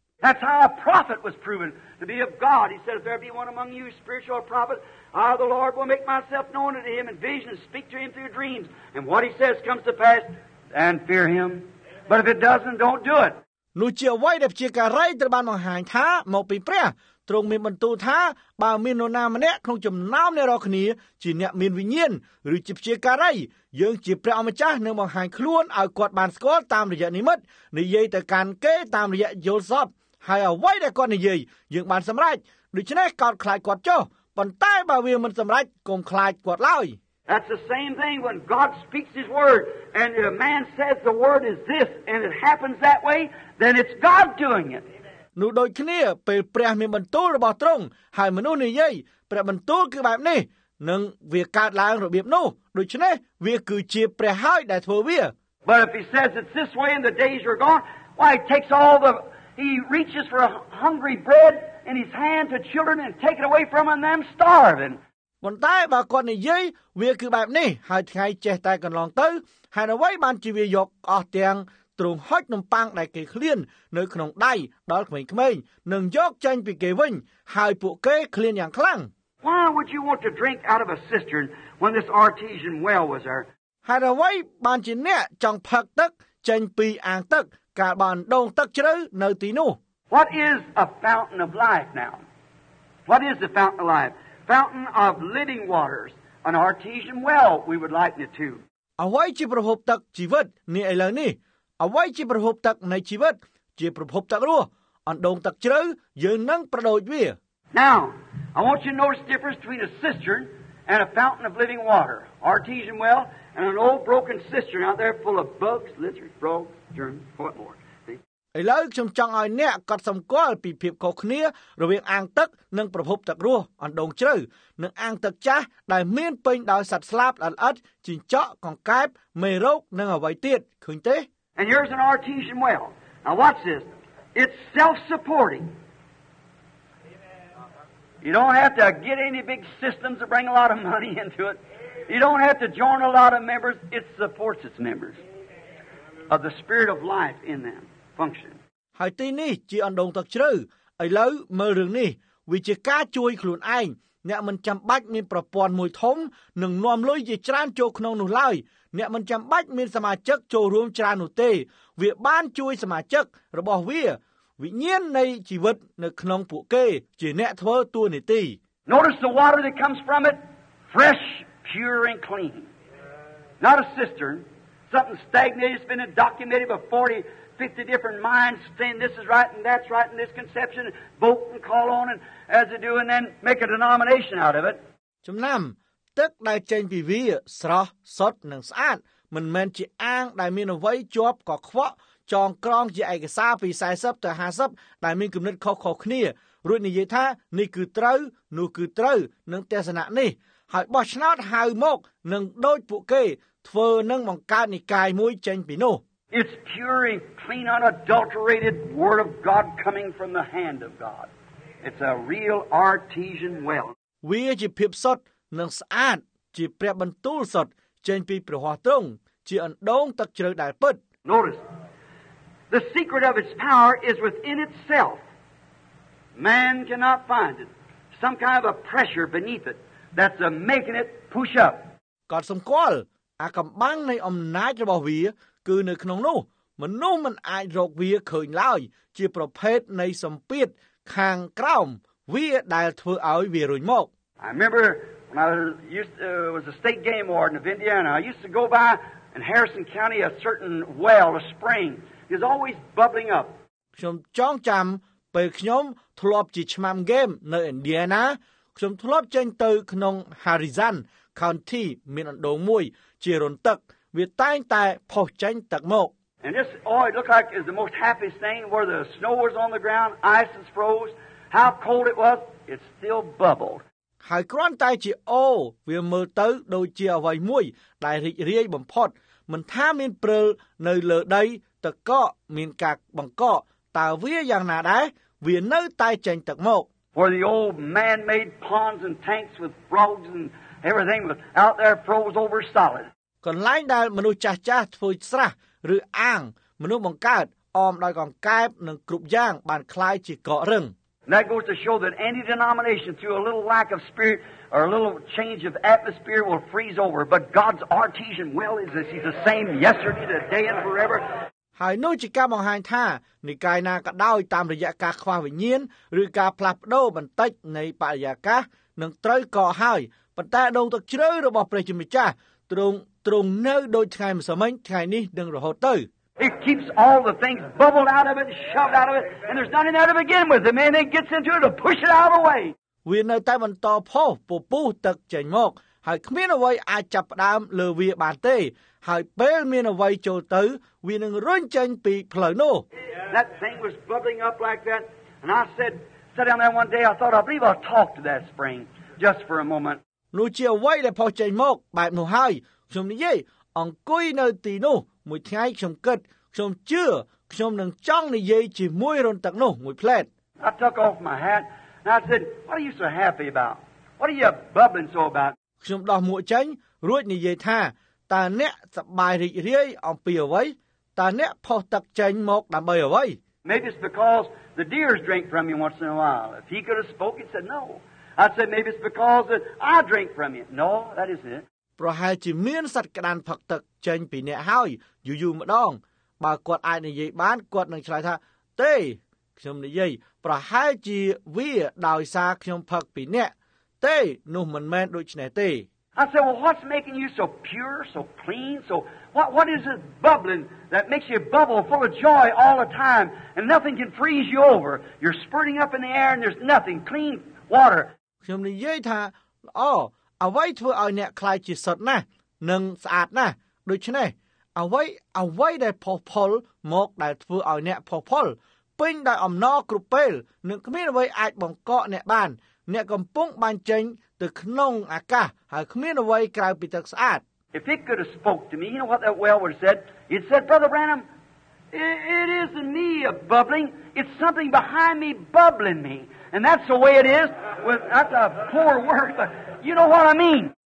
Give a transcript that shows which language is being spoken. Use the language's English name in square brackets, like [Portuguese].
[English] That's how a prophet was proven to be of God. He said, if there be one among you, spiritual prophet, I, the Lord, will make myself known unto him in visions, speak to him through dreams. And what he says comes to pass, and fear him. But if it doesn't, don't do it. [Khmer] លុជាអ្វីដែលជាការរៃត្របានបង្ហាញថាមកពីព្រះទ្រង់មានបន្ទូលថាបើមាននរណាម្នាក់ក្នុងចំណោមអ្នករាល់គ្នាជាអ្នកមានវិញ្ញាណឬជាព្យាការីយើងជាព្រះអម្ចាស់នឹងបង្ហាញខ្លួនឲ្យគាត់បានស្គាល់តាមរយៈនិមិត្តនិយាយទៅកាន់គេតាមរយៈយល់សពហើយអ្វីដែលគាត់និយាយយើងបានសម្រេចដូច្នេះកោតខ្លាចគាត់ចុះប៉ុន្តែបើវាមិនសម្រេចកុំខ្លាចគាត់ឡើយ [English] That's the same thing when God speaks his word and a man says the word is this and it happens that way then it's God doing it. [Khmer] នោះដូចគ្នាពេលព្រះមានបន្ទូលរបស់ទ្រង់ហើយមនុស្សនិយាយព្រះបន្ទូលគឺបែបនេះនឹងវាកើតឡើងរបៀបនោះដូច្នេះវាគឺជាព្រះហើយដែលធ្វើវា [English] But if he says it's this way and the days are gone why he takes all the he reaches for a hungry bread in his hand to children and take it away from them starving. [Khmer] ប៉ុន្តែបើគាត់និយាយវាគឺបែបនេះហើយថ្ងៃចេះតែកន្លងទៅហើយអ្វីបានជាវាយកអស់ទាំងទ្រង់ហុចនំប៉័ងដែលគេឃ្លាននៅក្នុងដៃដល់ក្មេងៗនឹងយកចាញ់ពីគេវិញហើយពួកគេឃ្លានយ៉ាងខ្លាំង [English] Why would you want to drink out of a cistern when this artesian well was there? [Khmer] ហើយអ្វីបានជាអ្នកចង់ផឹកទឹកចាញ់ពីអាងទឹកកាលបានដងទឹកជ្រៅនៅទីនោះ [English] What is a fountain of life now? What is the fountain of life? Fountain of living waters, an artesian well, we would liken it to. [Khmer] អ្វីជាប្រភពទឹកជីវិតនេះឥឡូវនេះអ្វីជាប្រភពទឹកនៃជីវិតជាប្រភពទឹករស់អណ្ដូងទឹកជ្រៅយើងនឹងប្រដូចវា [English] Now, I want you to notice the difference between a cistern and a fountain of living water, artesian well, and an old broken cistern out there full of bugs, lizards, frogs, germs, whatmore. [Khmer] ឥឡូវខ្ញុំចង់ឲ្យអ្នកកត់សម្គាល់ពីភាពខុសគ្នារវាងអាងទឹកនិងប្រភពទឹករស់អណ្ដូងជ្រៅនិងអាងទឹកចាស់ដែលមានពេញដោយសត្វស្លាបល្អិតជីងចក់កង្កែបមេរោគនិងអ្វីទៀតឃើញទេ [English] And here's an artesian well. Now watch this. It's self-supporting. You don't have to get any big systems to bring a lot of money into it. You don't have to join a lot of members. It supports its members of the spirit of life in them. [Khmer] ហើយទីនេះជាអណ្ដូងទឹកជ្រៅឥឡូវមើលរឿងនេះវាជាការជួយខ្លួនឯងអ្នកមិនចាំបាច់មានប្រព័ន្ធមួយធំនឹងនាំលុយជាច្រើនចូលក្នុងនោះឡើយអ្នកមិនចាំបាច់មានសមាជិកចូលរួមច្រើននោះទេវាបានជួយសមាជិករបស់វាវិញ្ញាណនៃជីវិតនៅក្នុងពួកគេជាអ្នកធ្វើតួនាទី [English] Notice the water that comes from it fresh pure and clean not a cistern something stagnant it's been documented by 40 50 different minds saying this is right and that's right and this conception vote and call on and as they do and then make a denomination out of it [Khmer] ចំណាំទឹកដែលចេញពីវាស្រស់សុទ្ធនិងស្អាតមិនមែនជាអាងដែលមានអវ័យជាប់កខ្វក់ចងក្រងជាឯកសារពី40ទៅ50ដែលមានគំនិតខុសៗគ្នារួចនិយាយថានេះគឺត្រូវនោះគឺត្រូវនឹងទស្សនៈនេះហើយបោះឆ្នោតហៅមកនឹងដូចពួកគេធ្វើនឹងបង្កើតនិកាយមួយចេញពីនោះ [English] It's pure and clean, unadulterated word of God coming from the hand of God. It's a real artesian well. [Khmer] វាជាភាពសុទ្ធនិងស្អាតជាព្រះបន្ទូលសុទ្ធចេញពីព្រះហស្តទ្រង់ជាអណ្ដូងទឹកជ្រៅដែលពិត [English] Notice, the secret of its power is within itself. Man cannot find it. Some kind of a pressure beneath it that's making it push up. [Khmer] កត់សម្គាល់អាកំបាំងនៃអំណាចរបស់វាគឺនៅក្នុងនោះមនុស្សមិនអាចរកវាឃើញឡើយជាប្រភេទនៃសម្ពាធខាងក្រោមវាដែលធ្វើឲ្យវារុញមក [English] I remember when I was a state game warden of Indiana I used to go by in Harrison County a certain well a spring is always bubbling up [Khmer] ខ្ញុំចងចាំពេលខ្ញុំធ្លាប់ជាឆ្មាំហ្គេមនៅ Indiana ខ្ញុំធ្លាប់ចេញទៅក្នុង Harrison County មានអណ្ដូងមួយជារន្ទឹកវាតែងតែផុសចេញទឹកមក [English] And this oh, it looked like is the most happiest thing where the snow was on the ground ice is froze how cold it was it still bubbled [Khmer] ហើយគ្រាន់តែជាអូវាមើលទៅដូចជាអ្វីមួយដែលរីករាយបំផុតមិនថាមានព្រិលនៅលើដីទឹកកកមានការបង្កកតើវាយ៉ាងណាដែរវានៅតែចេញទឹកមក [English] For the old man-made ponds and tanks with frogs and everything was out there froze over solid [Khmer] កន្លែងដែលមនុស្សចាស់ចាស់ធ្វើស្រះឬអាងមនុស្សបង្កើត អមដោយកង្កែបនិងគ្រប់យ៉ាងបានក្លាយជាកករឹង [English] That goes to show that any denomination through a little lack of spirit or a little change of atmosphere will freeze over but God's artesian well is this he's the same yesterday today and forever [Khmer] ហើយនោះជាការបង្ហាញថានិកាយណាក៏ដោយតាមរយៈការខ្វះវិញ្ញាណឬការផ្លាស់ប្ដូរបន្តិចនៃបរិយាកាសនឹងត្រូវកកហើយប៉ុន្តែដងទឹកជ្រៅរបស់ព្រះជាម្ចាស់ទ្រង់នៅដូចថ្ងៃម្សិលមិញថ្ងៃនេះនិងរហូតទៅ [English] It keeps all the things bubbled out of it, shoved out of it, and there's nothing there to begin with. The man that gets into it will push it out away. [Khmer] វានៅតែបន្តផុសពពុះទឹកចេញមកហើយគ្មានអ្វីអាចចាប់ផ្ដើមលើវាបានទេហើយពេលមានអ្វីចូលទៅវានឹងរុញចេញពីផ្លូវនោះ [English] That thing was bubbling up like that, and I said, sat down there one day, I thought, I believe I'll talk to that spring just for a moment. [Khmer] នោះជាអ្វីដែលផុសចេញមកបែបនោះហើយខ្ញុំនិយាយអង្គុយនៅទីនោះមួយថ្ងៃខ្ញុំគិតខ្ញុំជឿខ្ញុំនឹងចង់និយាយជាមួយរុនទឹកនោះមួយផ្លែត [English] I took off my hat and I said, what are you so happy about? What are you bubbling so about? [Khmer] ខ្ញុំដោះមួកចេញរួចនិយាយថាតើអ្នកសប្បាយរីករាយអំពីអ្វីតើអ្នកផុសទឹកចេញមកដើម្បីអ្វី [English] Maybe it's because the deer's drink from you once in a while. If he could have spoke, he'd said no. I'd say maybe it's because that I drink from you. No, that isn't it. [Khmer] ប្រហែលជាមានសត្វក្តានផឹកទឹកចេញពីអ្នកហើយយូរយូរម្ដងបើគាត់អាចនិយាយបានគាត់នឹងឆ្លើយថាទេខ្ញុំនិយាយប្រហែលជាវាដោយសារខ្ញុំផឹកពីអ្នកទេនោះមិនមែនដូច្នេះទេ [English] I said, well, what's making you so pure, so clean, so what is this bubbling that makes you bubble full of joy all the time and nothing can freeze you over? You're spurting up in the air and there's nothing, clean water. [Khmer] ខ្ញុំនិយាយថាអូអ្វីធ្វើឲ្យអ្នកខ្លាចជាសុតណាស់និងស្អាតណាស់ដូច្នេះអ្វីដែលផុសផុលមកដែលធ្វើឲ្យអ្នកផុសផុលពេញដោយអំណរគ្រប់ពេលនឹងគ្មានអ្វីអាចបង្កអ្នកបានអ្នកកំពុងបាញ់ចេញទៅក្នុងអាកាសហើយគ្មានអ្វីក្រៅពីទឹកស្អាត [English] If it could have spoke to me, you know what that well would said? It said, Brother Branham, it isn't me bubbling, it's something behind me bubbling me. And that's the way it is with that's a poor word but you know what I mean